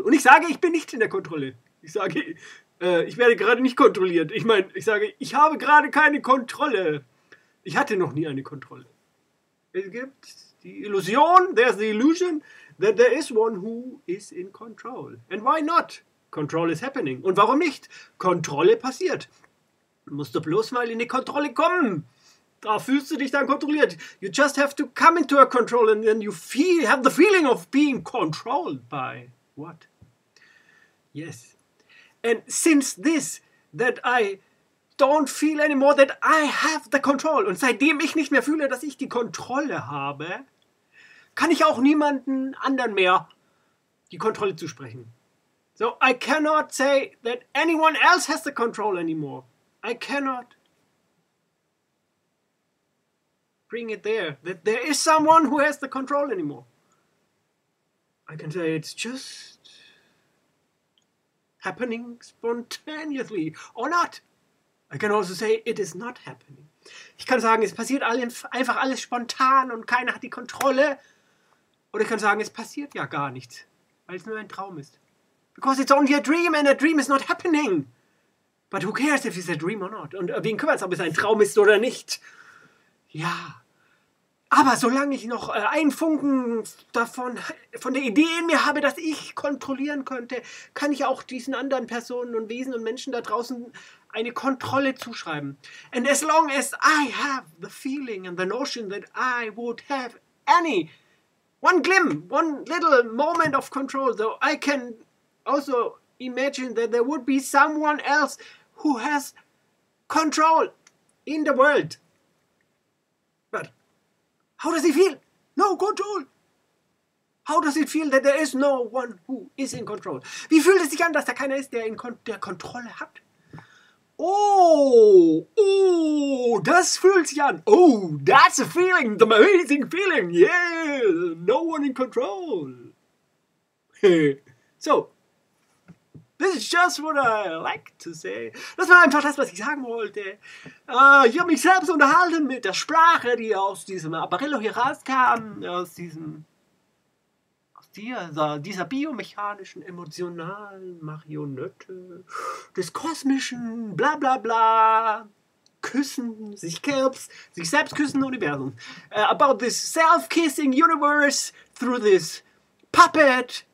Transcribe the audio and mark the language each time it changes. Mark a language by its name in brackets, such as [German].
[German] Und ich sage, ich bin nicht in der Kontrolle. Ich sage, ich werde gerade nicht kontrolliert. Ich meine, ich sage, ich habe gerade keine Kontrolle. Ich hatte noch nie eine Kontrolle. Es gibt die Illusion, [English] there's the illusion, that there is one who is in control. And why not? Control is happening. [German] Und warum nicht? Kontrolle passiert. Musst du bloß mal in die Kontrolle kommen. Da fühlst du dich dann kontrolliert. [English] You just have to come into a control and then you feel, have the feeling of being controlled by what? Yes. And since this, that I don't feel anymore that I have the control. [German] Und seitdem ich nicht mehr fühle, dass ich die Kontrolle habe, kann ich auch niemanden anderen mehr die Kontrolle zusprechen. [English] So I cannot say that anyone else has the control anymore. I cannot bring it there, that there is someone who has the control anymore. I can say it's just happening spontaneously or not. I can also say it is not happening. [German] Ich kann sagen, es passiert einfach alles spontan und keiner hat die Kontrolle. Oder ich kann sagen, es passiert ja gar nichts, weil es nur ein Traum ist. [English] Because it's only a dream and a dream is not happening. But who cares if it's a dream or not? [German] Und wen kümmert es, ob es ein Traum ist oder nicht? Ja. Aber solange ich noch einen Funken davon, von der Idee in mir habe, dass ich kontrollieren könnte, kann ich auch diesen anderen Personen und Wesen und Menschen da draußen eine Kontrolle zuschreiben. [English] And as long as I have the feeling and the notion that I would have any one glim, one little moment of control, so I can also imagine that there would be someone else who has control in the world. How does he feel? No control. How does it feel that there is no one who is in control? [German] Wie fühlt es sich an, dass da keiner ist, der Kontrolle hat? Oh, das fühlt sich an. [English] Oh, that's a feeling, the amazing feeling. Yeah, no one in control. So. This is just what I like to say. [German] Das war einfach das, was ich sagen wollte. Ich habe mich selbst unterhalten mit der Sprache, die aus diesem Apparello hier rauskam, aus dieser biomechanischen, emotionalen Marionette, des kosmischen, bla bla bla, küssen, sich selbst küssen Universum. [English] About this self-kissing universe through this puppet.